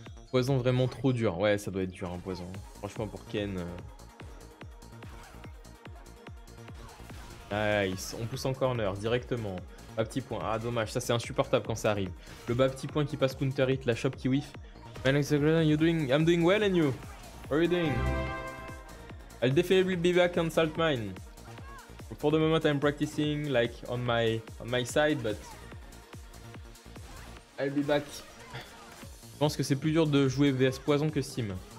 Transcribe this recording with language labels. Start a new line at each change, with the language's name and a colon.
French: Poison vraiment trop dur. Ouais, ça doit être dur, un poison. Franchement, pour Ken. Nice. On pousse en corner directement. Bas petit point. Ah, dommage. Ça, c'est insupportable quand ça arrive. Le bas petit point qui passe counter hit. La shop qui whiff.
English: Man, I'm doing well and you. How are you doing? I'll definitely be back on Salt Mine. For the moment, I'm practicing like on my side, but I'll be back.
French: Je pense que c'est plus dur de jouer VS Poison que Steam.